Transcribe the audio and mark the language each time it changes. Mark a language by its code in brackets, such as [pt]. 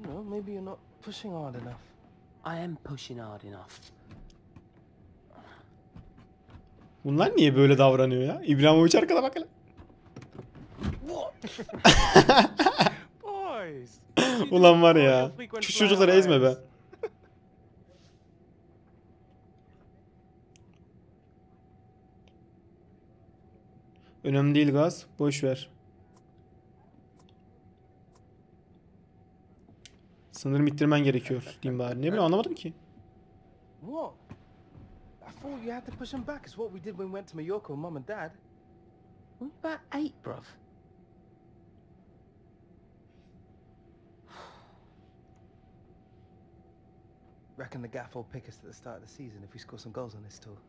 [en] Maybe you're not pushing hard enough. I am pushing hard enough. [tr] Bunlar niye böyle davranıyor ya? İbrahim Hoca arkada bak hele. [en] Boys. [tr] Ulan var ya. Şu çocukları ezme be. Önemli değil gaz. Boş ver. Sanırım ittirmen gerekiyor diyeyim bari. Ne bileyim anlamadım ki. [en] What? I thought you had to push him back. It's what we did when we went to Mallorca with mum and dad. What about eight, bruv? Reckon the gaff will pick us at the start of the season if we score some goals on this tour.